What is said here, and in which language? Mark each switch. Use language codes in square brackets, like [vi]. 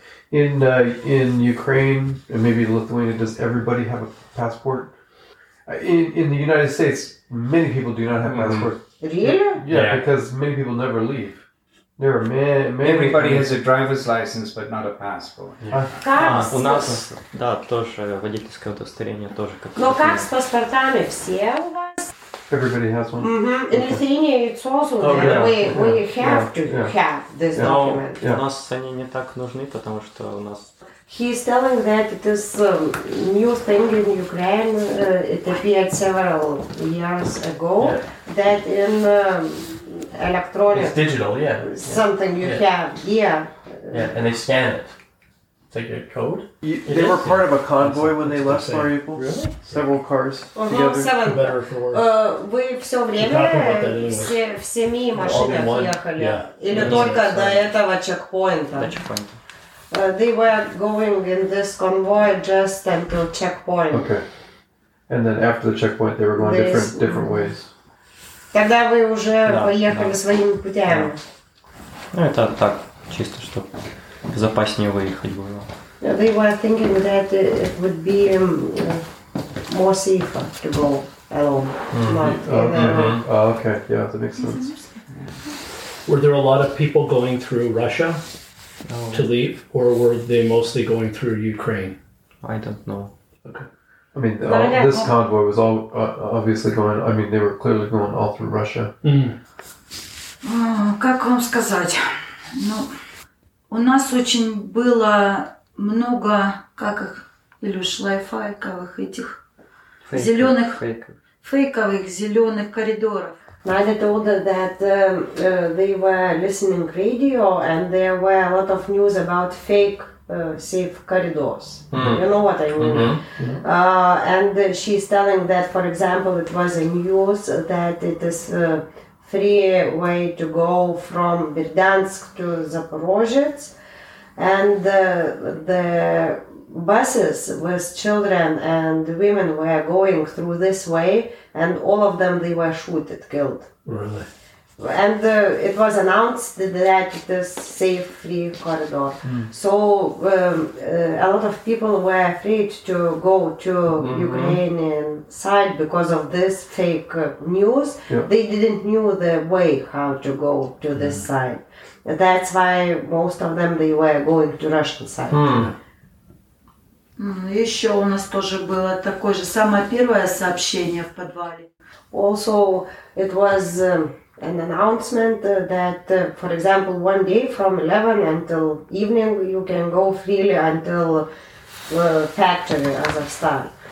[en] In Ukraine, and maybe Lithuania, does everybody have a passport? In the United States, many people do not have passports. Really? Yeah, because many people never leave. There are many. Everybody has a driver's license, but not a passport. [ru] Как? У нас, да, тоже водительское удостоверение тоже как. Но как с паспортами все у вас? [en] Everybody has one. Mm-hmm. In Lithuania, it's also we have to have this document. [ru] У нас они не так нужны, потому что у нас. [en] He is telling that it is a new thing in Ukraine. It appeared several years ago that in. Electronic. It's digital, yeah. Something you have, yeah. And they scan it. It's like a code? They were part of a convoy when they left Mariupol. Really? Several cars. Seven. Better for [ru] Вы все время в семи машинах ехали? Или только до этого чекпоинта? До чекпоинта. [en] They were going in this convoy just until checkpoint. Okay. And then after the checkpoint, they were going different ways. [ru] Тогда вы уже поехали своими путями. Ну, это так, чисто, чтобы безопаснее выехать было. [en] They were thinking that it would be more safer to go alone. Okay, yeah, that makes sense. Were there a lot of people going through Russia to leave, or were they mostly going through Ukraine? I don't know. Okay. I mean, this convoy was all obviously going. I mean, they were clearly going all through Russia. [ru] Как вам сказать? Ну, у нас очень было много как их, Илюш, лайфайковых этих зеленых фейковых зеленых коридоров. [en] Надя told that they were listening radio and there were a lot of news about fake. Safe corridors. Mm-hmm. You know what I mean? Mm-hmm. And she's telling that, for example, it was a news that it is a free way to go from Berdansk to Zaporozhye. And the buses with children and women were going through this way, and all of them, they were shooted, killed. Really? And it was announced that it is safe, free corridor. Mm. So a lot of people were afraid to go to Ukrainian side because of this fake news. Yeah. They didn't know the way how to go to this side. That's why most of them, they were going to Russian side. [ru] Еще у нас тоже было такое же, самое первое сообщение в подвале. [en] Also, it was... an announcement that, for example, one day from 11 until evening, you can go freely until factory Azovstal.